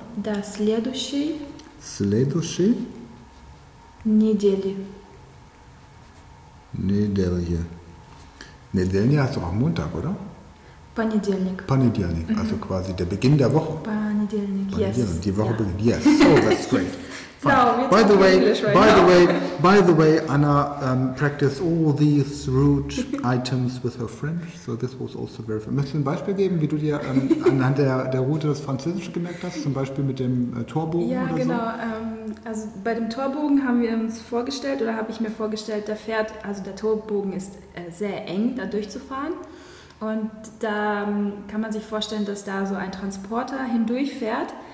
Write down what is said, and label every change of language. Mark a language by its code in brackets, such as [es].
[ru] До следующей. Следующей. Недели. Неделье. [de] Неделье heißt doch auch Montag, oder? [ru] Понедельник. Понедельник. Mhm. [de] Also quasi der Beginn der Woche. [ru] Понедельник. Yes. [de] Die Woche beginnt. [en] Yes. Oh, that's great. No, by the way, by the way, Anna practiced all these root items with her French, so this was also very fun. [de] Möchtest du ein Beispiel geben, wie du dir anhand der Route das Französische gemerkt hast, zum Beispiel mit dem Torbogen ja, oder genau. So? Ja, genau. Also bei dem Torbogen haben wir uns vorgestellt, oder habe ich mir vorgestellt, der Torbogen ist sehr eng, da durchzufahren. Und da kann man sich vorstellen, dass da so ein Transporter hindurchfährt.